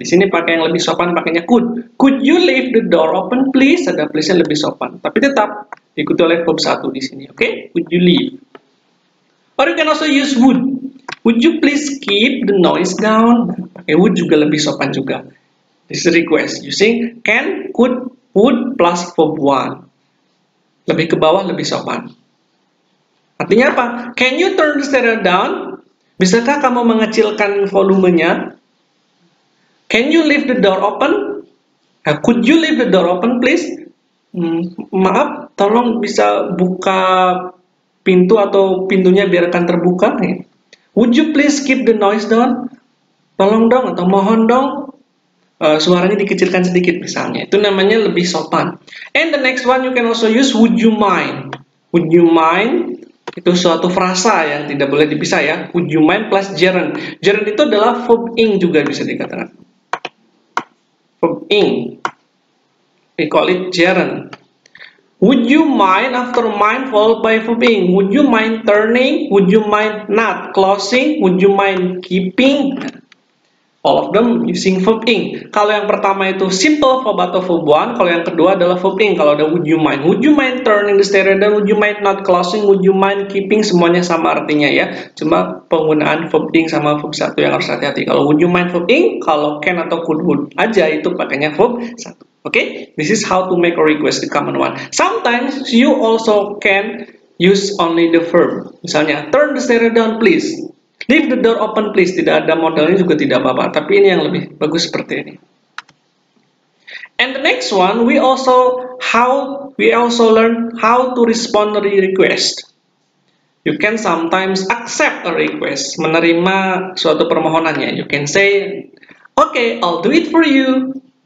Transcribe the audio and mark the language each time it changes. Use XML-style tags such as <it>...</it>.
<id>Di sini pakai yang lebih sopan, pakainya could.</id> <en>Could you leave the door open, please?</en> <id>Ada please-nya lebih sopan. Tapi tetap diikuti oleh verb 1 di sini, oke? Okay?</id> <en>Could you leave? Or you can also use would. Would you please keep the noise down?</en> <id>Pakai would juga lebih sopan juga.</id> <en>This request using can, could, would plus verb 1.</en> <id>Lebih ke bawah, lebih sopan. Artinya apa?</id> <en>Can you turn the stereo down?</en> <id>Bisakah kamu mengecilkan volumenya?</id> <en>Can you leave the door open? Could you leave the door open, please?</en> <id>Maaf, tolong bisa buka pintu atau pintunya biarkan terbuka?</id> <en>Would you please keep the noise down?</en> <id>Tolong dong atau mohon dong suaranya dikecilkan sedikit misalnya. Itu namanya lebih sopan.</id> <en>And the next one you can also use, would you mind? Would you mind?</en> <id>Itu suatu frasa yang tidak boleh dipisah ya.</id> <en>Would you mind plus gerund.</en> <id>Gerund itu adalah verb ing juga bisa dikatakan.</id> <en>Verb ing. We call it gerund. Would you mind after mind followed by verb ing? Would you mind turning? Would you mind not closing? Would you mind keeping? All of them using verb ing.</en> <id>Kalau yang pertama itu simple verb atau verb one. Kalau yang kedua adalah verb ing. Kalau ada</id> <en>would you mind. Would you mind turning the stereo down? Would you mind not closing? Would you mind keeping?</en> <id>Semuanya sama artinya ya. Cuma penggunaan verb ing sama verb satu yang harus hati-hati. Kalau would you mind verb ing, kalau can atau could would aja itu pakainya verb satu.</id> <en>Okay, this is how to make a request, the common one. Sometimes you also can use only the verb. Misalnya, turn the stereo down, please. Leave the door open, please.</en> <id>Tidak ada modelnya juga tidak apa-apa. Tapi ini yang lebih bagus seperti ini.</id> <en>And the next one, we also learn how to respond to the request. You can sometimes accept a request,</en> <id>menerima suatu permohonannya.</id> <en>You can say, okay, I'll do it for you.</en>